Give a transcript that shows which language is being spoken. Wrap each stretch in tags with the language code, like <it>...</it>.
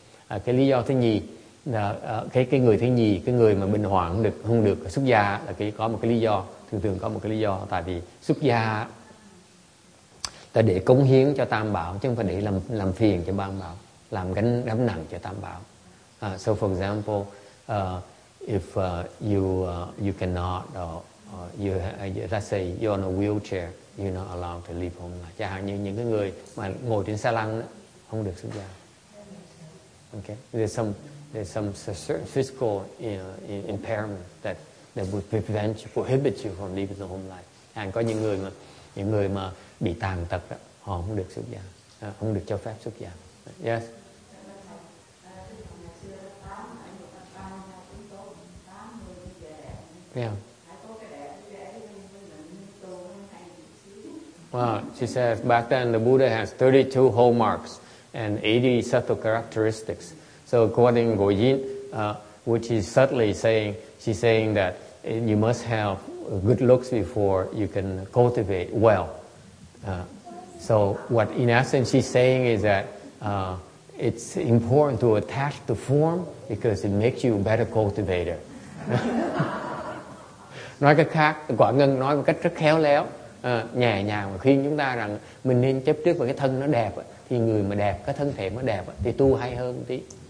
<vi>Cái lý do thứ nhì là cái người thứ nhì, cái người mà bệnh hoạn không được xuất gia là có một cái lý do, thường thường có một cái lý do, tại vì xuất gia ta để cống hiến cho tam bảo chứ không phải để làm phiền cho tam bảo, làm gánh nặng cho tam bảo.</vi> <en>So for example, if you cannot, let's say you're on a wheelchair, you're not allowed to leave home.</en> <vi>Chẳng hạn như những cái người mà ngồi trên xa lăng đó, không được xuất gia.</vi> <en>Okay, there's some certain physical, you know, impairment that would prevent you, prohibit you from leaving the home life.</en> <vi>And có những người mà bị tàn tật đó, họ không được xuất gia, không được cho phép xuất gia.</vi> <en>Yes. Yeah. Well, she says back then the Buddha has 32 hallmarks and 80 subtle characteristics. So according to Goyin, which is subtly saying, she's saying that you must have good looks before you can cultivate well. So what in essence she's saying is that it's important to attach to form because it makes you a better cultivator.</en> <vi>Nói cách khác, Quả Ngân nói một cách rất khéo léo, nhẹ nhàng mà khuyên chúng ta rằng mình nên chấp trước vào cái thân nó đẹp, thì người mà đẹp, cái thân thể nó đẹp thì tu hay hơn một tí.</vi>